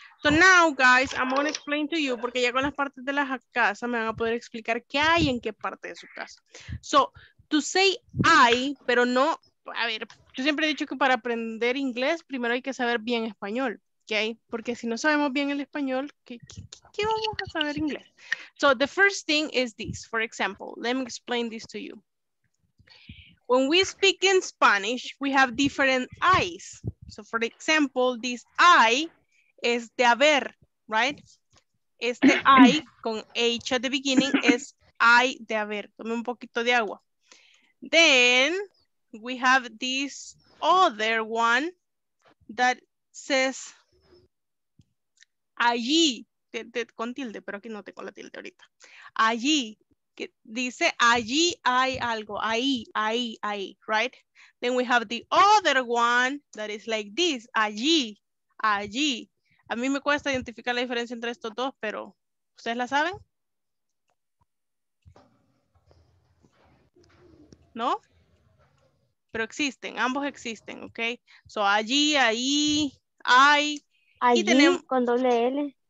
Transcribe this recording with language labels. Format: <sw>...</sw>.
<en>So now, guys, I'm going to explain to you,</en> <es>porque ya con las partes de la casa me van a poder explicar qué hay en qué parte de su casa.</es> <en>So, to say I,</en> <es>pero no, a ver, yo siempre he dicho que para aprender inglés, primero hay que saber bien español, okay? Porque si no sabemos bien el español, ¿qué vamos a saber inglés?</es> <en>So, the first thing is this, for example, let me explain this to you. When we speak in Spanish, we have different I's. So, for example, this I</en> <es>es de haber,</es> <en>right?</en> <es>Este I con H</es> <en>at the beginning</en> <es>es I de haber. Tome un poquito de agua.</es> <en>Then we have this other one that says</en> <es>allí, con tilde, pero aquí no tengo la tilde ahorita. Allí, que dice allí hay algo, ahí, ahí, ahí,</es> <en>right? Then we have the other one that is like this, allí, allí.</en> <es>A mí me cuesta identificar la diferencia entre estos dos, pero ¿ustedes la saben? ¿No? Pero existen, ambos existen, ¿ok? So, allí, ahí, hay. Allí, y tenemos con doble L.</es>